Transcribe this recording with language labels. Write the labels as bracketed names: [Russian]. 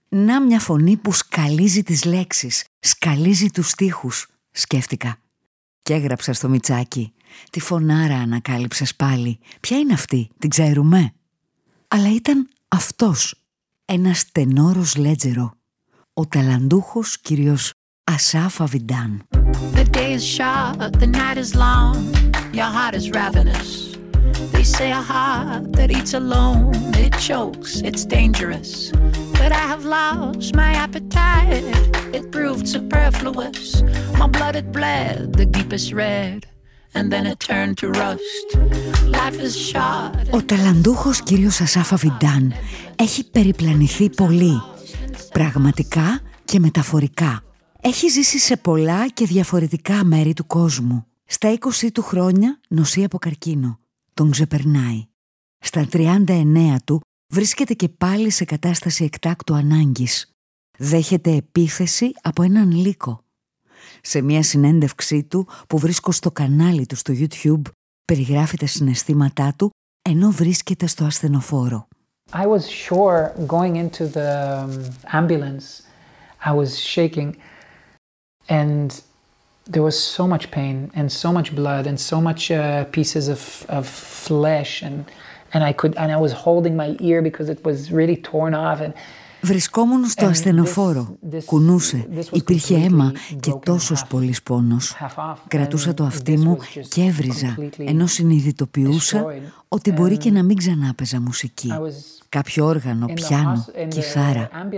[Greek] Να μια φωνή που σκαλίζει τις λέξεις, σκαλίζει τους στίχους, σκέφτηκα. Και έγραψα στο Μιτσάκι. Τη φωνάρα ανακάλυψες πάλι. Ποια είναι αυτή, την ξέρουμε? Αλλά ήταν αυτός. Ένας τενόρος λέτζερο. Ο ταλαντούχος κύριος Ασάφ Αβιντάν. [English] The day is short, the night is long. Your heart is ravenous. They say a heart that eats alone. It chokes, it's dangerous. But I have lost my appetite. It proved superfluous. My blood it bled, the deepest red. And then it turned to rust. Life is short. [Greek] Ο ταλαντούχος κύριος Ασάφ Αβιντάν έχει περιπλανηθεί πολύ, πραγματικά και μεταφορικά. Έχει ζήσει σε πολλά και διαφορετικά μέρη του κόσμου. Στα 20 του χρόνια νοσεί από καρκίνο, τον ξεπερνάει. Στα 39 του βρίσκεται και πάλι σε κατάσταση εκτάκτου ανάγκης. Δέχεται επίθεση από έναν λύκο. Σε μια συνέντευξή του που βρίσκω στο κανάλι του στο YouTube, περιγράφει τα συναισθήματά του ενώ βρίσκεται στο ασθενοφόρο. [English] I was sure going into the ambulance, I was shaking and there was so much pain and so much blood and so much pieces of flesh and I could and I was holding my ear because it was really torn off and [Greek] Βρισκόμουν στο ασθενοφόρο. Κουνούσε. Υπήρχε αίμα και τόσος πολύς πόνος. Κρατούσα το αυτί μου και έβριζα, ενώ συνειδητοποιούσα ότι μπορεί και να μην ξανά παίζα μουσική. Κάποιο όργανο, πιάνο, κιθάρα.